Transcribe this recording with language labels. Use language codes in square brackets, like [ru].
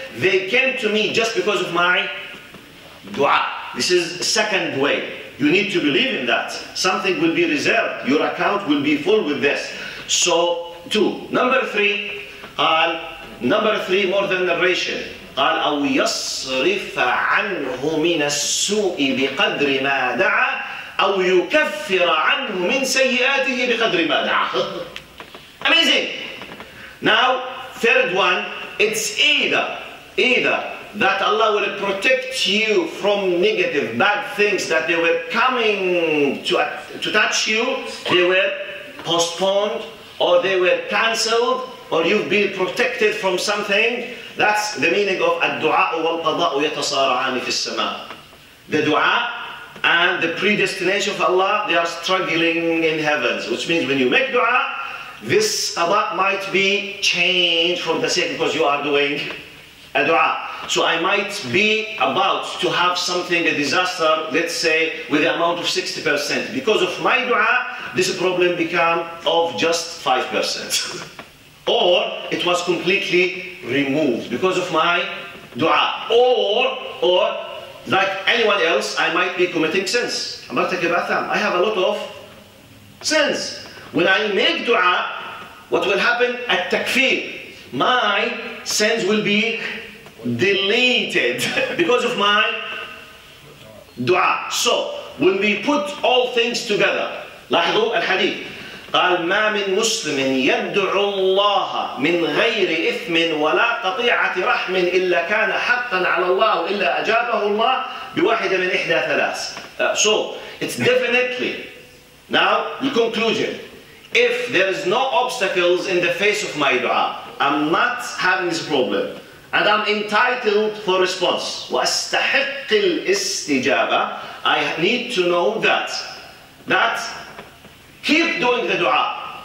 [en] They came to me just because of my dua. This is second way. You need to believe in that. Something will be reserved. Your account will be full with this. So, two. Number three. [ar] قال, [en] number three, more than narration. [ar] قال, أو يصرف عنه من السوء بقدر ما دعا أو يكفر عنه من سيئاته بقدر ما دعا. [en] Amazing. Now, third one. It's either that Allah will protect you from negative, bad things that they were coming to touch you, they were postponed, or they were cancelled, or you've been protected from something. That's the meaning of [ar] الدُّعاء والقضاءُ يتصارعان في السماء. [en] The dua and the predestination of Allah, they are struggling in heavens, which means when you make dua, this qada might be changed for the sake because you are doing a dua. So I might be about to have something, a disaster, let's say, with the amount of 60%. Because of my dua, this problem became of just 5%. Or it was completely removed because of my dua. Or like anyone else, I might be committing sins. I have a lot of sins. When I make dua, what will happen? At takfir. My sins will be deleted because of my dua. So when we put all things together, [ar] لاحظوا الحديث. قال ما من مسلم يدعو الله من غير إثم ولا قطيعة رحم إلا كان حقا على الله إلا أجابه الله بواحدة من إحدى ثلاث. [en] So it's definitely now the conclusion. If there is no obstacles in the face of my dua, I'm not having this problem. And I'm entitled for response. [ar] واستحق الاستجابة. [en] I need to know that keep doing the dua.